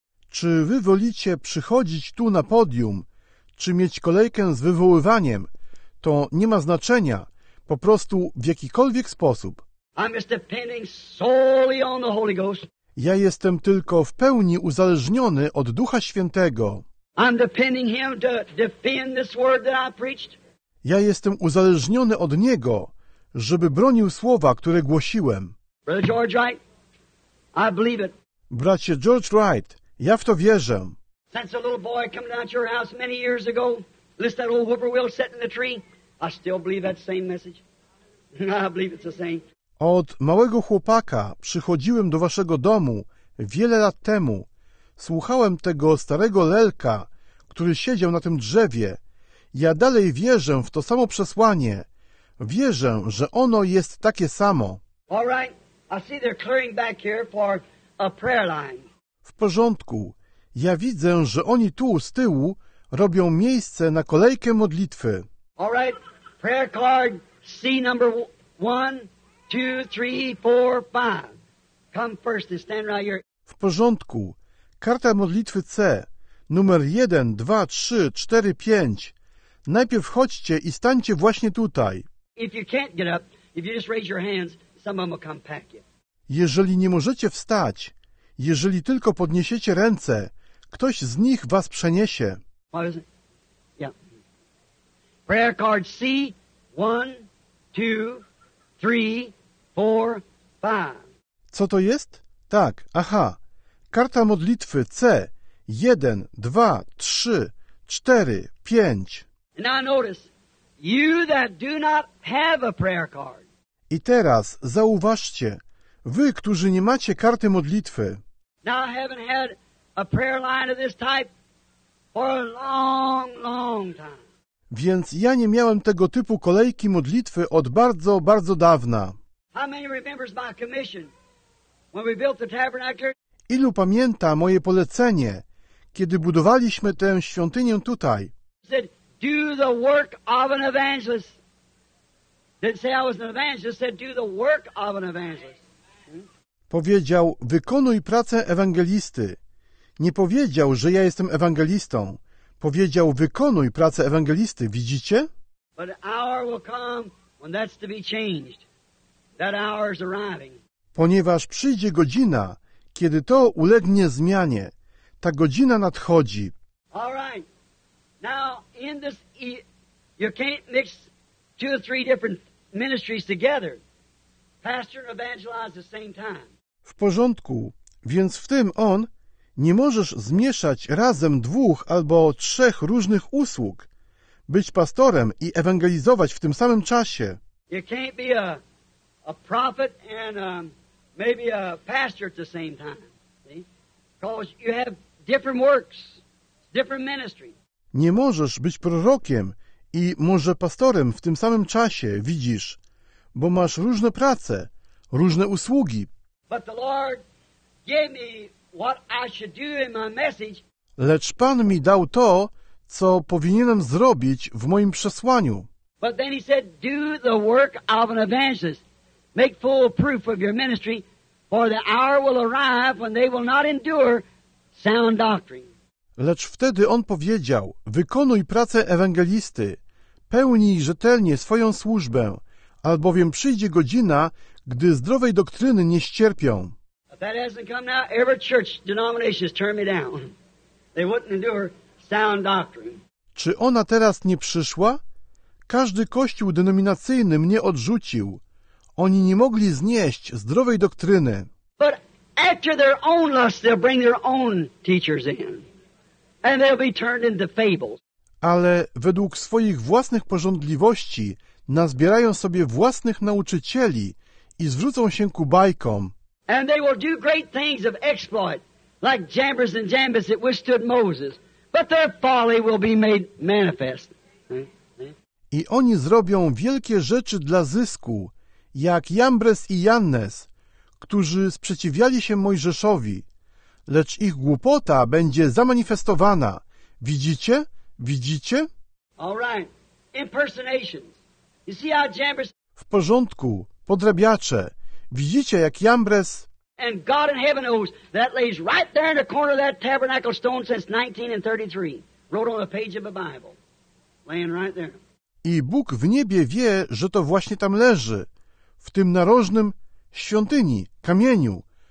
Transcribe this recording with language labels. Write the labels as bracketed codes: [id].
[pl] Czy wy wolicie przychodzić tu na podium, czy mieć kolejkę z wywoływaniem? To nie ma znaczenia, po prostu w jakikolwiek sposób. [en] I'm just depending solely on the Holy Ghost. [pl] Ja jestem tylko w pełni uzależniony od Ducha Świętego. [en] I'm depending him to defend this word that I preached. [pl] Ja jestem uzależniony od Niego, żeby bronił słowa, które głosiłem. [en] Brother George Wright, I believe it. [pl] Bracie George Wright, ja w to wierzę. [en] Since a little boy coming out your house many years ago. List that old whippoorwill sitting in the tree. I still believe that same message. I believe it's the same. [pl] Od małego chłopaka przychodziłem do waszego domu wiele lat temu. Słuchałem tego starego lelka, który siedział na tym drzewie. Ja dalej wierzę w to samo przesłanie. Wierzę, że ono jest takie samo. [en] All right. I see they're clearing back here for a prayer line. [pl] W porządku. Ja widzę, że oni tu z tyłu robią miejsce na kolejkę modlitwy. [en] All right. Prayer card C number 1, 2, 3, 4, 5. Come first and stand right here. [pl] W porządku. Karta modlitwy C. Numer 1, 2, 3, 4, 5. Najpierw chodźcie i stańcie właśnie tutaj. [en] If you can't get up, if you just raise your hands, some of them will come pack you. [pl] Jeżeli nie możecie wstać, jeżeli tylko podniesiecie ręce, ktoś z nich was przeniesie. [en] What is it? Yeah. Prayer card C, 1, 2, 3, 4, 5. [pl] Co to jest? Tak, aha. Karta modlitwy C, 1, 2, 3, 4, 5. [en] And I notice, you that do not have a prayer card. [pl] I teraz zauważcie, wy, którzy nie macie karty modlitwy. [en] Now I haven't had a prayer line of this type. For a long, long time. [pl] Więc ja nie miałem tego typu kolejki modlitwy od bardzo, bardzo dawna. [en] How many remembers my commission when we built the tabernacle? [pl] Ilu pamięta moje polecenie, kiedy budowaliśmy tę świątynię tutaj? [en] Said, do the work of an evangelist. Didn't say I was an evangelist, said do the work of an evangelist. [pl] Powiedział, wykonuj pracę ewangelisty. Nie powiedział, że ja jestem ewangelistą. Powiedział, wykonuj pracę ewangelisty, widzicie? [en] But the hour will come when that's to be changed. That hour is arriving. [pl] Ponieważ przyjdzie godzina, kiedy to ulegnie zmianie. Ta godzina nadchodzi. [en] All right. Now, in this, you can't mix two or three different ministries together. Pastor and evangelize the same time. [pl] W porządku. Więc w tym on nie możesz zmieszać razem dwóch albo trzech różnych usług. Być pastorem i ewangelizować w tym samym czasie. [en] You can't be a prophet and maybe a pastor at the same time. Because you have different works, different ministry. [pl] Nie możesz być prorokiem i może pastorem w tym samym czasie, widzisz, bo masz różne prace, różne usługi. [en] But the Lord gave me what I should do in my message. [pl] Lecz Pan mi dał to, co powinienem zrobić w moim przesłaniu. [en] But then he said, do the work of an evangelist. Make full proof of your ministry, for the hour will arrive when they will not endure sound doctrine. [pl] Lecz wtedy on powiedział, wykonuj pracę ewangelisty, pełnij rzetelnie swoją służbę, albowiem przyjdzie godzina, gdy zdrowej doktryny nie ścierpią. [en] That hasn't come now. Every church denomination has turned me down. They wouldn't endure sound doctrine. [pl] Czy ona teraz nie przyszła? Każdy kościół denominacyjny mnie odrzucił. Oni nie mogli znieść zdrowej doktryny. [en] But after their own lust, they'll bring their own teachers in. And they'll be turned into fables. [pl] Ale według swoich własnych pożądliwości nazbierają sobie własnych nauczycieli i zwrócą się ku bajkom. [en] And they will do great things of exploit, like Jambres and Jambes that withstood Moses. But their folly will be made manifest. [pl] I oni zrobią wielkie rzeczy dla zysku, jak Jambres i Jannes, którzy sprzeciwiali się Mojżeszowi. Lecz ich głupota będzie zamanifestowana. Widzicie? Widzicie? [en] All right. Impersonations. You see how Jambres... [pl] W porządku. Podrabiacze. Widzicie, jak Jambres... [en] And God in heaven knows that lays right there in the corner of that tabernacle stone since 1933. Wrote on a page of a Bible. Laying right there. [pl] I Bóg w niebie wie, że to właśnie tam leży. W tym narożnym świątyni, kamieniu.